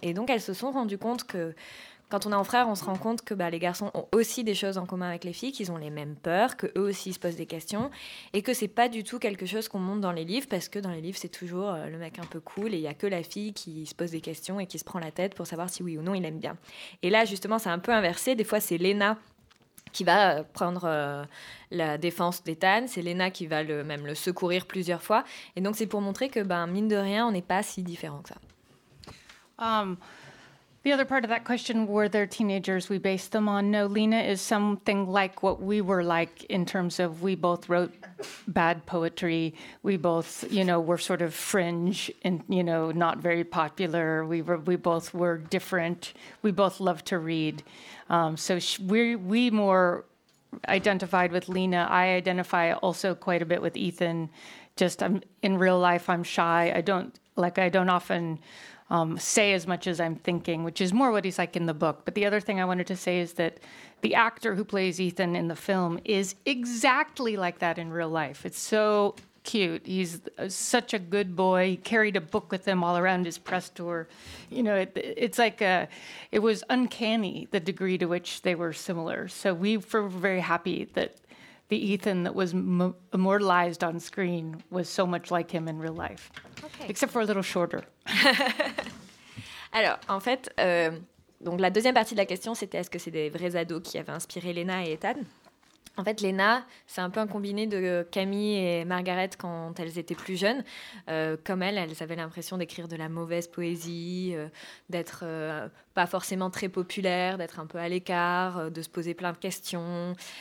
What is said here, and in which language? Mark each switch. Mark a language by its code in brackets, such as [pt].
[fr] Et donc elles se sont rendues compte que quand on est en frère, on se rend compte que bah, les garçons ont aussi des choses en commun avec les filles, qu'ils ont les mêmes peurs, qu'eux aussi se posent des questions, et que c'est pas du tout quelque chose qu'on montre dans les livres, parce que dans les livres, c'est toujours le mec un peu cool, et il y a que la fille qui se pose des questions et qui se prend la tête pour savoir si oui ou non il aime bien. Et là, justement, c'est un peu inversé. Des fois, c'est Léna qui va prendre la défense d'Ethan, c'est Léna qui va même le secourir plusieurs fois, et donc c'est pour montrer que, bah, mine de rien, on n'est pas si différent que ça. [en] The other part of that question, were there teenagers we based them on? No, Léna is something like what we were like in terms of we both wrote bad poetry. We both, you know, were sort of fringe and, you know, not very popular. We both were different. We both loved to read. So we more identified with Léna. I identify also quite a bit with Ethan. Just in real life, I'm shy. I don't often... say as much as I'm thinking, which is more what he's like in the book. But the other thing I wanted to say is that the actor who plays Ethan in the film is exactly like that in real life. It's so cute. He's such a good boy. He carried a book with him all around his press tour. You know, it was uncanny the degree to which they were similar. So we were very happy that the Ethan that was immortalized on screen was so much like him in real life. Okay. Except for a little shorter. [fr] Alors, en fait, donc la deuxième partie de la question, c'était est-ce que c'est des vrais ados qui avaient inspiré Lena et Ethan? En fait, Lena, c'est un peu un combiné de Camille et Margaret quand elles étaient plus jeunes. Comme elles avaient l'impression d'écrire de la mauvaise poésie, d'être pas forcément très populaire, d'être un peu à l'écart, de se poser plein de questions.